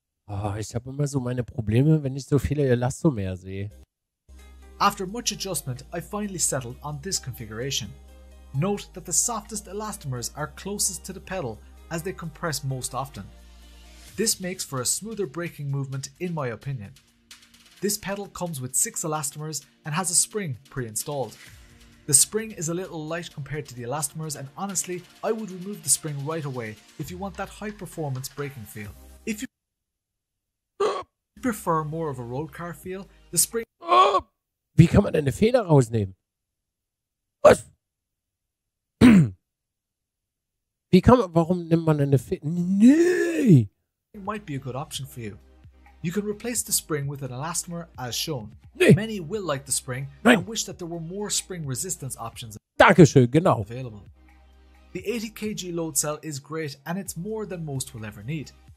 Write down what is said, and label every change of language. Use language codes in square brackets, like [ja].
[de] Oh, ich habe immer so meine Probleme, wenn ich so viele Elastomer sehe. [en] After much adjustment, I finally settled on this configuration. Note that the softest elastomers are closest to the pedal as they compress most often. This makes for a smoother braking movement in my opinion. This pedal comes with 6 elastomers and has a spring pre-installed. The spring is a little light compared to the elastomers and honestly, I would remove the spring right away if you want that high performance braking feel. If you prefer more of a road car feel, the spring... [de] Wie kann man denn eine Feder rausnehmen? Was? Wie kann man, warum nimmt man eine Feder? Nee! [en] It might be a good option for you. You can replace the spring with an elastomer as shown. [de] Nee. [en] Many will like the spring [de] Nein. [en] And wish that there were more spring resistance options [de] Dankeschön, genau. [en] Available. The 80 kg load cell is great and it's more than most will ever need.